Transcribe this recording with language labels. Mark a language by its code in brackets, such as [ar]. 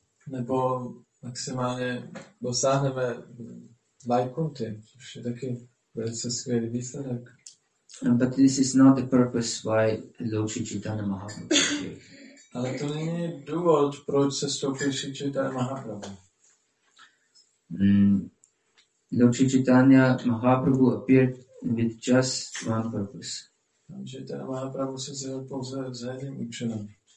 [cs] Nebo maximálně dosáhneme Vaikunty, což je taky velice skvělý výsledek. [en] But this is not the purpose why Lord Sri Chaitanya Mahaprabhu is here. [cs] Ale to není důvod, proč se stoupil Sri Chaitanya Mahaprabhu. [en] Lord Sri Chaitanya Mahaprabhu appeared with just one purpose. [cs] Lord Sri Chaitanya Mahaprabhu se zjevil pouze s jedním účelem.